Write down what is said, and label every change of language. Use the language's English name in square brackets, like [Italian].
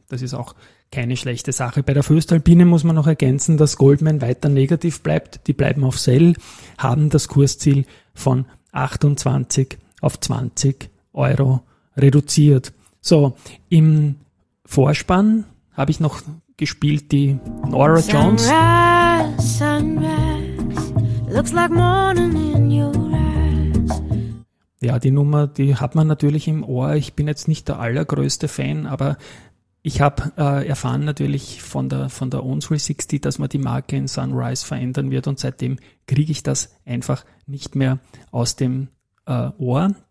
[German] Das ist auch keine schlechte Sache. Bei der Voestalpine muss man noch ergänzen, dass Goldman weiter negativ bleibt. Die bleiben auf Sell, haben das Kursziel von 28 auf 20 Euro reduziert. So, im Vorspann habe ich noch gespielt die Norah Jones. [English] Sunrise, sunrise, looks like morning in your eyes. [German] Ja, die Nummer, die hat man natürlich im Ohr. Ich bin jetzt nicht der allergrößte Fan, aber ich habe erfahren natürlich von der On360, dass man die Marke in Sunrise verändern wird und seitdem kriege ich das einfach nicht mehr aus dem Ohr.